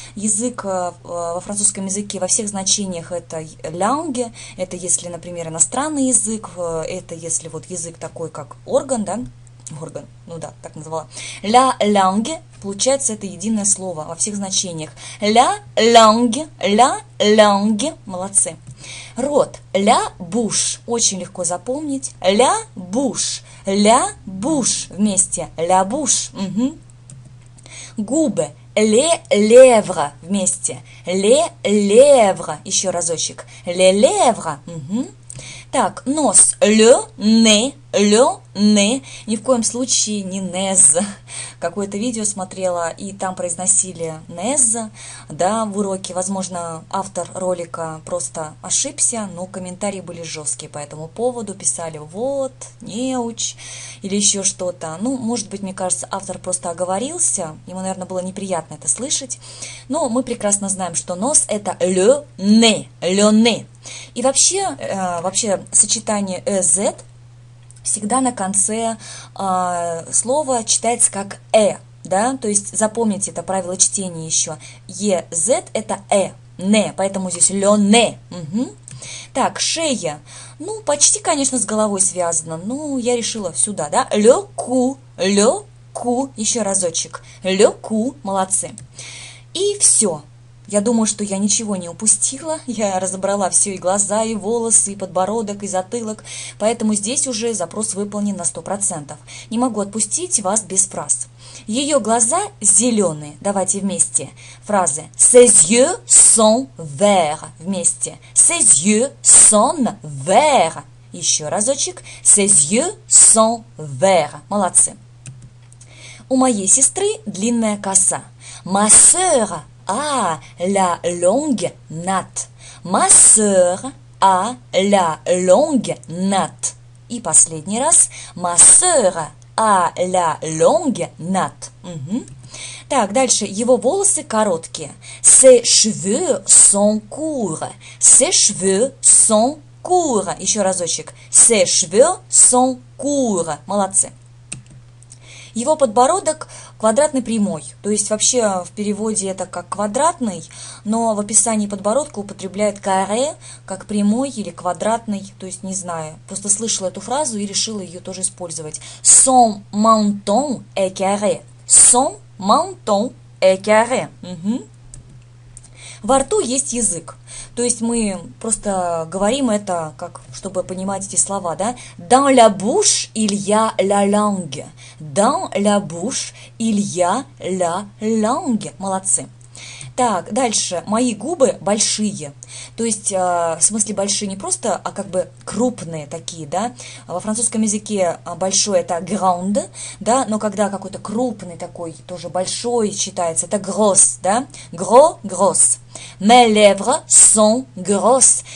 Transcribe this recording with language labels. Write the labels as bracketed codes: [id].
[ru] Язык во французском языке во всех значениях – это «langue». Это если, например, иностранный язык. Это если вот язык такой, как орган, да? Орган, ну да, так назвала. [fr] La langue, [ru] получается, это единое слово во всех значениях. [fr] La langue, la langue, [ru] молодцы. Рот, [fr] la bouche, [ru] очень легко запомнить. [fr] La bouche, la bouche, [ru] вместе, [fr] la bouche. [ru] Губы, [fr] les lèvres, вместе, les lèvres, [ru] еще разочек. [fr] Les lèvres, [ru] Так, нос. [fr] Le nez. Le nez. [ru] Ни в коем случае не nez. Какое-то видео смотрела, и там произносили nez, да, в уроке. Возможно, автор ролика просто ошибся, но комментарии были жесткие по этому поводу. Писали «вот», «неуч» или еще что-то. Ну, может быть, мне кажется, автор просто оговорился. Ему, наверное, было неприятно это слышать. Но мы прекрасно знаем, что нос – это le nez. [fr] Le nez. [ru] И вообще, сочетание «ez» всегда на конце слова читается как «э», да? То есть запомните это правило чтения еще. «Ez» – это «э», «не», поэтому здесь «le ne». Так, шея. Ну, почти, конечно, с головой связано, но я решила сюда, да? [fr] «Le cou», «le cou», [ru] еще разочек. [fr] «Le cou», [ru] молодцы. И все. Я думаю, что я ничего не упустила. Я разобрала все, и глаза, и волосы, и подбородок, и затылок. Поэтому здесь уже запрос выполнен на 100%. Не могу отпустить вас без фраз. Ее глаза зеленые. Давайте вместе. Фразы. [fr] Ses yeux sont verts. [ru] Вместе. [fr] Ses yeux sont verts. [ru] Еще разочек. [fr] Ses yeux sont verts. [ru] Молодцы. У моей сестры длинная коса. [fr] Ma sœur a la longue natte. Ma sœur a la longue natte. [ru] И последний раз. [fr] Ma sœur a la longue natte. [ru] Так, дальше. Его волосы короткие. [fr] Ses cheveux sont courts. Ses cheveux sont courts. [ru] Еще разочек. [fr] Ses cheveux sont courts. [ru] Молодцы. Его подбородок квадратный прямой. То есть вообще в переводе это как квадратный, но в описании подбородка употребляют каре как прямой или квадратный. То есть не знаю. Просто слышала эту фразу и решила ее тоже использовать. [fr] Son menton est carré. Son menton est carré. Угу. [ru] Во рту есть язык. То есть мы просто говорим это, как, чтобы понимать эти слова, да? [fr] Dans la bouche, il y a la langue. Dans la bouche, il y a la langue. [ru] Молодцы. Так, дальше. Мои губы большие. То есть, в смысле большие не просто, а как бы крупные такие, да? Во французском языке большой – это grand, да? Но когда какой-то крупный такой, тоже большой считается, это gross, да? [fr] Gros, gross. Mes lèvres sont grosses.